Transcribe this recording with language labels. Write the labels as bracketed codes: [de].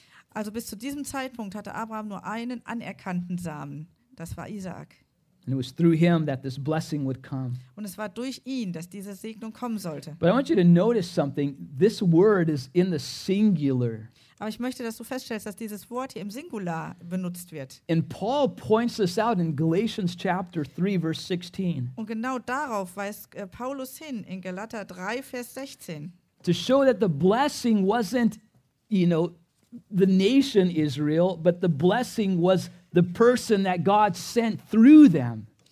[de] Also bis zu diesem Zeitpunkt hatte Abraham nur einen anerkannten Samen, das war Isaac. [en] And it was through him that this blessing would come. [de] Und es war durch ihn, dass diese Segnung kommen sollte. [en] But I want you to notice something. This word is in the singular. [de] Aber ich möchte, dass du feststellst, dass dieses Wort hier im Singular benutzt wird. [en] And Paul points this out in Galatians chapter 3, verse 16. [de] Und genau darauf weist Paulus hin in Galater 3, Vers 16. [en] To show that the blessing wasn't, you know, the nation Israel, but the blessing was the person that God sent through them.